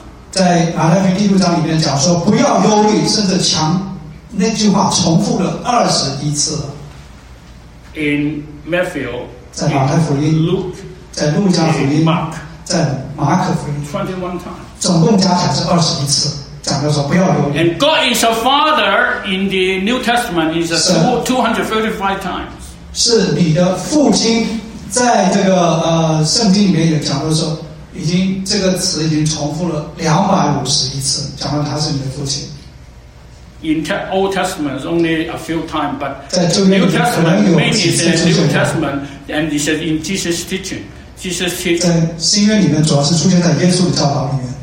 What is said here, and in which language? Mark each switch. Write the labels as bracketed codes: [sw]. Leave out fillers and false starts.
[zh] 在马太福音第六章里面讲说不要忧虑甚至强那句话重复了21次 [en] in Matthew [zh] 在马太福音 [en] Luke [zh] 在路加福音 [en] Mark [zh] 在马可福音 [en] 21 times [zh] 总共加起来是21次讲的说不要忧虑 [en] And God is a father in the New Testament is 235 times [zh] 是你的父亲在这个圣经里面也讲的说已经这个词已经重复了251次讲到他是你的父亲 [en] In Old Testament is only a few times but [zh] 在旧约里可能有几次出现 [en] New Testament and it says in Jesus teaching [zh] 在新约里面主要是出现在耶稣的教导里面